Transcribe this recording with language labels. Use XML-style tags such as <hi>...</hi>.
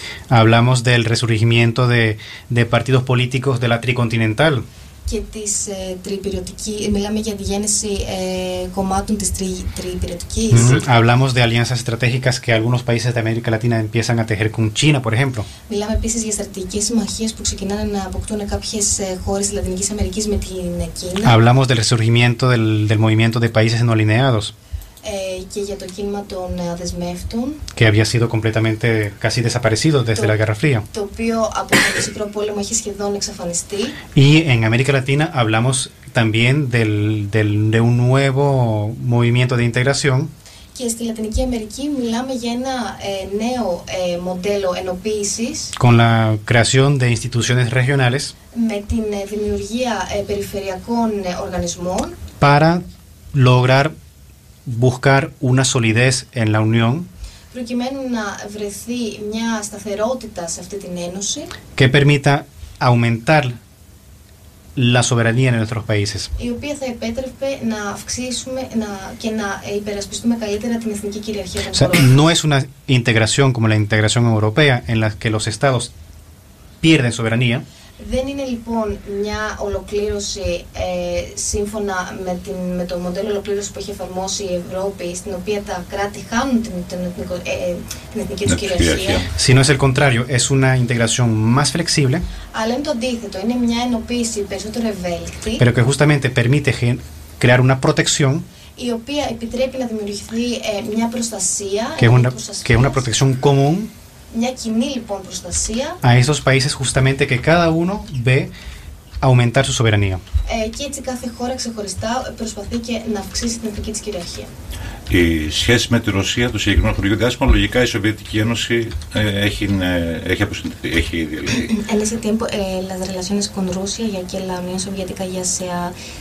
<es>Hablamos del resurgimiento de partidos políticos de la tricontinental.</es> <el>Και της τριπυριωτικής. Μιλάμε για τη γέννηση κομμάτων της τριπυριωτικής.</el> <es>Hablamos de alianzas estratégicas que algunos países de América Latina empiezan a tejer con China, por ejemplo.</es> <el>Μιλάμε επίσης για στρατηγικές συμμαχίες που ξεκινάνε να αποκτούν κάποιες χώρες της Λατινικής Αμερικής με την Κίνα.</el> <es>Hablamos del resurgimiento del movimiento de países no alineados.</es> <el>Και για το κίνημα των αδεσμεύτων.</el> <es>Que había sido completamente casi desaparecido desde la Guerra Fría.</es> <el>Το οποίο από τον Μεσικρό Πόλεμο έχει σχεδόν εξαφανιστεί.</el> <es>Y en América Latina hablamos también de un nuevo movimiento de integración.</es> <el>Και στη Λατινική Αμερική μιλάμε για ένα νέο μοντέλο ενοποίησης.</el> <es>Con la creación de instituciones regionales.</es> <el>Με την δημιουργία περιφερειακών οργανισμών.</el> <es>Para lograr buscar una solidez en la unión</es> <el>προκειμένου να βρεθεί μια σταθερότητα σε αυτή την ένωση</el> <es>que permita aumentar la soberanía en nuestros países</es> <el>η οποία θα επέτρεπε να αυξήσουμε και να υπερασπιστούμε καλύτερα την εθνική κυριαρχία</el> <es>o sea, no es una integración como la integración europea en la que los estados pierden soberanía.</es> <el>Δεν είναι λοιπόν μια ολοκλήρωση σύμφωνα με το μοντέλο ολοκλήρωσης που έχει εφαρμόσει η Ευρώπη στην οποία τα κράτη χάνουν την εθνική τους κυριαρχία.</el> <es>Sino es el contrario, es una integración más flexible.</es> <el>Αλλά είναι το αντίθετο, είναι μια ενοποίηση περισσότερο ευέλικτη.</el> <es>Pero que justamente permite crear una protección.</es> <el>Η οποία επιτρέπει να δημιουργηθεί μια προστασία.</el> <es>Que es una protección común.</es> <el>Μια κοινή λοιπόν προστασία.</el> <es>A esos países justamente que cada uno ve aumentar su soberanía.</es> <el>Και έτσι κάθε χώρα ξεχωριστά προσπαθεί και να αυξήσει την εθνική της κυριαρχία. Η σχέση με τη Ρωσία, το συγκεκριμένο χωρικό διάστημα, λογικά η Σοβιετική Ένωση έχει αποσυντηθεί, έχει ήδη λυθεί.</el> <es>En ese tiempo, las relaciones con Rusia, ya que la Unión Soviética ya se ha...</es>